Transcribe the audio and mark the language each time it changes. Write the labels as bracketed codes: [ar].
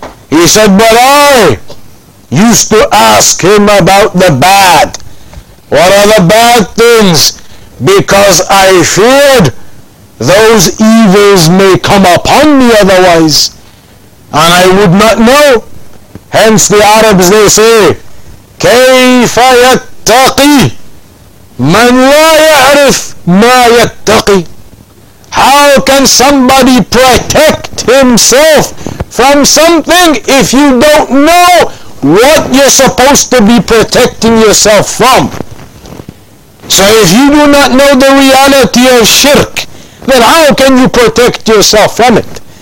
[en] He said, but I used to ask him about the bad. What are the bad things? Because I feared those evils may come upon me otherwise, and I would not know. Hence the Arabs, they say, [ar] كيف يتقي من لا يعرف ما يتقي. [en] How can somebody protect himself from something if you don't know what you're supposed to be protecting yourself from? So if you do not know the reality of shirk, then how can you protect yourself from it?